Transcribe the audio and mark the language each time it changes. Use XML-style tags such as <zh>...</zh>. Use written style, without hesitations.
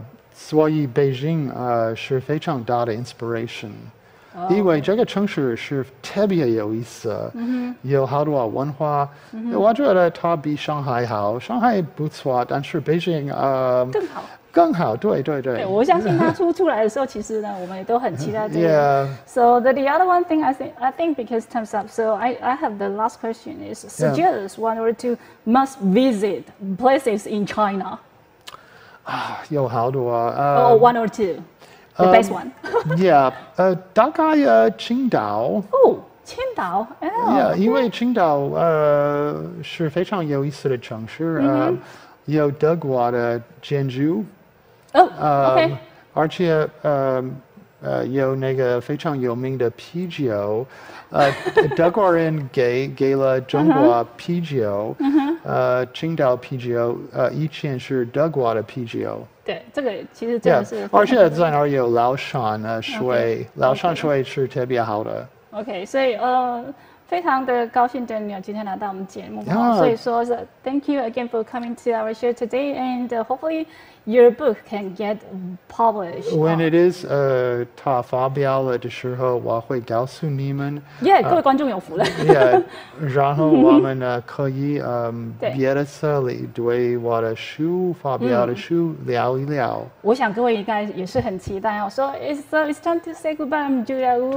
<zh>所以北京是非常大的 inspiration， 因为这个城市是特别有意思，有好多文化，我觉得它比上海好，上海不错，但是北京更好。更好，对对 对, 对。我相信他出来的时候，其实呢，我们也都很期待这个。</zh> <en>Yeah. So the other one thing I think because time's up, so I have the last question is suggest、yeah. one or two must visit places in China.</en> <zh>啊，有好多啊。</zh> <en>One or two, the best one.</en> <zh>yeah, 大概青岛。哦，青岛。Oh, yeah, 因为青岛是非常有意思的城市。有德国的建筑。</zh> <en>Okay.</en> <zh>而且有那个非常有名的啤酒，德国人给了中国啤酒，青岛啤酒，以前是德国的啤酒。对，这个其实真的是。</zh> <en>Yeah.</en> <zh>而且在那儿有老山水，老山水是特别好的。 Okay， 所以非常的高兴 Daniel 今天来到我们节目， yeah. 所以说是</zh> <en>Thank you again for coming to our show today, and hopefully your book can get published. When it is</en> <zh>它发表了的时候，我会告诉你们。 Yeah, 各位观众有福了。 yeah, 然后我们可以别的社里对我的书发表的书聊一聊。我想各位应该也是很期待哦。</zh> <en>So it's time to say goodbye, I'm Julia Wu.</en>